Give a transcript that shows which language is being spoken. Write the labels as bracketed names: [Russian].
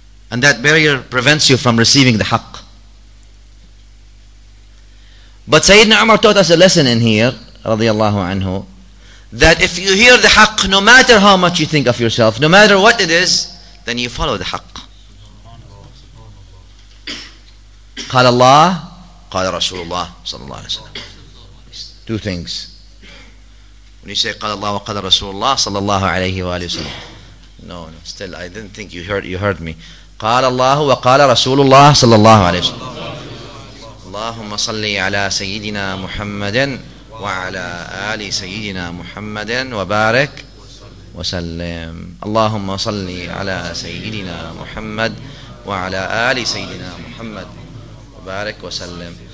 [English] And that barrier prevents you from receiving the haqq. But Sayyidina Umar taught us a lesson in here, radiallahu anhu, that if you hear the haqq, no matter how much you think of yourself, no matter what it is, then you follow the haqq. [Arabic] قال الله قال رسول الله صلى الله عليه وسلم. [English] Two things. When you say [Arabic] قال الله وقال رسول الله صلى الله عليه وآله وسلم. [English] No, still I didn't think you heard me. [Arabic] قال الله وقال رسول الله صلى الله عليه وسلم. اللهم صل على سيدنا محمد وعلى آل سيدنا محمد وبارك وسلم. اللهم صل على سيدنا محمد وعلى آل سيدنا محمد وبارك وسلم.